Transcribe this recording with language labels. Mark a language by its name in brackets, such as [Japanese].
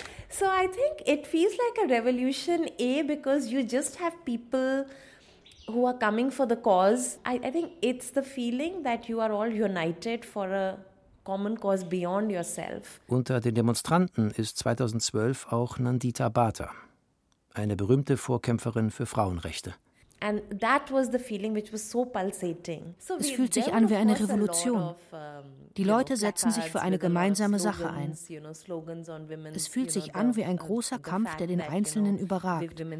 [English] So I think it feels like a revolution, A, because you just have people who are coming for the cause. I think it's the feeling that you are all united for a common cause beyond yourself. [German] Unter den Demonstranten ist 2012 auch Nandita Bhatta, eine berühmte Vorkämpferin für Frauenrechte. [English] And that was the feeling which was so pulsating. [German] Es fühlt sich an wie eine Revolution. Die Leute setzen sich für eine gemeinsame Sache ein. Es fühlt sich an wie ein großer Kampf, der den Einzelnen überragt.